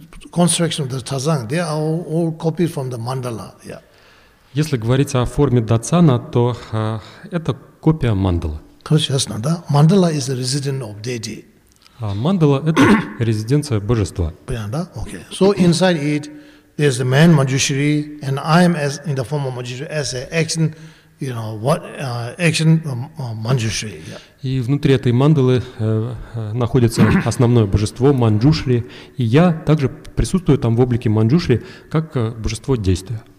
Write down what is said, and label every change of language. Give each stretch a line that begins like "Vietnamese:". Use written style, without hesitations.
English: construction of the tazang, they are all copied from the mandala. Yeah.
Russian: Если говорить о форме дацана, то это копия мандалы. Конечно, да.
English: Мандала is the residence of deity.
Russian: А мандала это резиденция божества. Понятно, да? Okay.
English: So inside it there's the man Manjushri, and I am as in the form of Manjushri as an action, you know, what action Manjushri. Yeah.
Russian: И внутри этой мандалы находится основное божество Манджушри, и я также присутствую там в облике Манджушри как божество действия.